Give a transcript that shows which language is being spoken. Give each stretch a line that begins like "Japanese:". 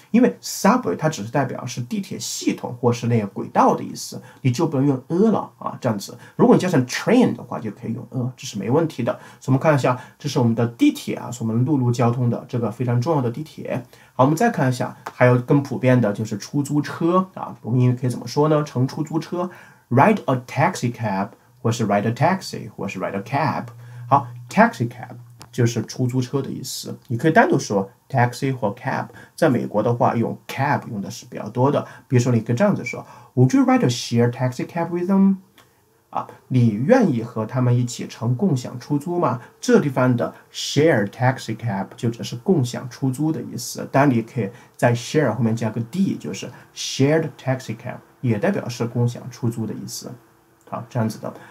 Chinese: 因为 subway 它只是代表是地铁系统或是那个轨道的意思，你就不能用 a 了啊。这样子，如果你加上 train 的话，就可以用 a， 这是没问题的。所以我们看一下，这是我们的地铁啊，是我们陆路交通的这个非常重要的地铁。好，我们再看一下，还有更普遍的就是出租车啊，我们英语可以怎么说呢？乘出租车
English: ，ride a taxi cab，
Chinese: 或是
English: ride a taxi， 或是 ride a cab。
Chinese: 好 ，taxi cab 就是出租车的意思，你可以单独说 taxi 或 cab。在美国的话，用 cab 用的是比较多的。比如说，你可以这样子说
English: ：Would you ride a shared taxi cab with them？
Chinese: 啊，你愿意和他们一起乘共享出租吗？这地方的 share taxi cab 就指是共享出租的意思，但你可以在 share 后面加个 d， 就是 shared taxi cab 也代表是共享出租的意思。好，这样子的。